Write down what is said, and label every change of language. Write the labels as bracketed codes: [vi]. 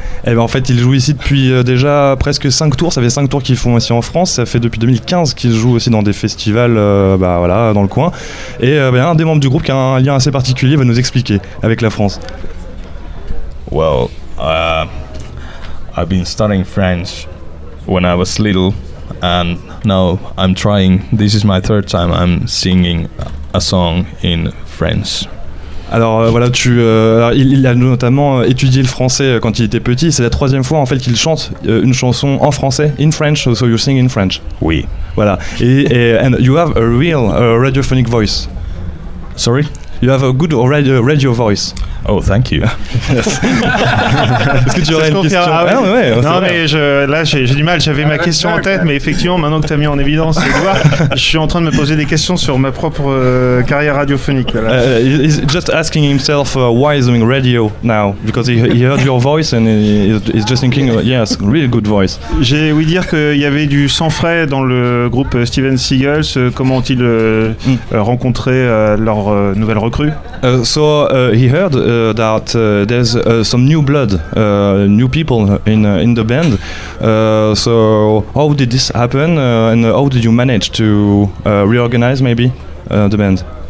[fr] Eh ben en fait, ils jouent ici depuis déjà presque 5 tours. Ça fait 5 tours qu'ils font ici en France. Ça fait depuis 2015 qu'ils jouent aussi dans des festivals dans le coin. Et un des membres du groupe qui a un lien assez particulier va nous expliquer avec la France. [en] Well, I've been studying French when I was little, and now I'm trying. This is my third time I'm singing a song in French. [fr] Alors voilà, il a notamment étudié le français quand il était petit. C'est la troisième fois en fait qu'il chante une chanson en français. [en] In French, so you sing in French. [fr] Oui. [en] Voilà. And you have a real radiophonic voice. Sorry? You have a good radio voice. Oh, thank you. [fr] Est-ce que tu aurais une question? Ah ouais. Ouais, non, vrai. Mais j'ai du mal, j'avais ma question en tête, mais effectivement, maintenant que tu as mis en évidence les doigts, je suis en train de me poser des questions sur ma propre carrière radiophonique. Voilà. [en] He's just asking himself why he's doing radio now, because he heard your voice and he's just thinking, yes, really good voice. [fr] J'ai ouï dire qu'il y avait du sang frais dans le groupe Steven Seagulls. Comment ont-ils rencontré leur nouvelle recrue? [en] So he heard that there's some new blood, new people in the band. So how did this happen, and how did you manage to reorganize maybe the band?